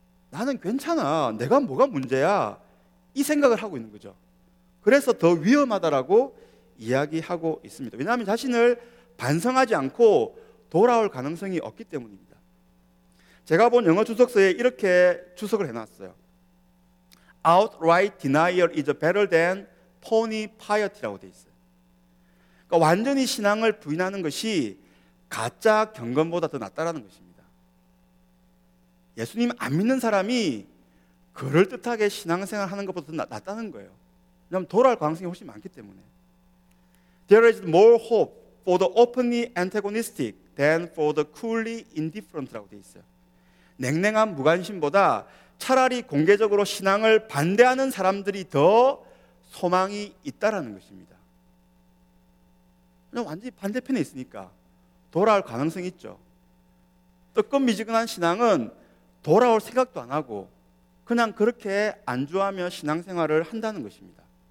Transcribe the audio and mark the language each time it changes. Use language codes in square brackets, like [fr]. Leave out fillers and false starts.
[ko] 나는 괜찮아. 내가 뭐가 문제야? 이 생각을 하고 있는 거죠. 그래서 더 위험하다라고 이야기하고 있습니다. 왜냐하면 자신을 반성하지 않고 돌아올 가능성이 없기 때문입니다. 제가 본 영어 주석서에 이렇게 주석을 해놨어요. [en] Outright denial is better than phony piety [ko] 라고 돼 있어요. 그러니까 완전히 신앙을 부인하는 것이 가짜 경건보다 더 낫다라는 것입니다. 예수님 안 믿는 사람이 그럴듯하게 신앙생활 하는 것보다 더 낫다는 거예요. 왜냐하면 돌아올 가능성이 훨씬 많기 때문에. [en] There is more hope for the openly antagonistic than for the coolly indifferent [ko] 라고 돼 있어요. 냉랭한 무관심보다 차라리 공개적으로 신앙을 반대하는 사람들이 더 소망이 있다라는 것입니다. 그냥 완전히 반대편에 있으니까 돌아올 가능성이 있죠. 뜨끔미지근한 신앙은 돌아올 생각도 안 하고 그냥 그렇게 안주하며 신앙생활을 한다는 것입니다.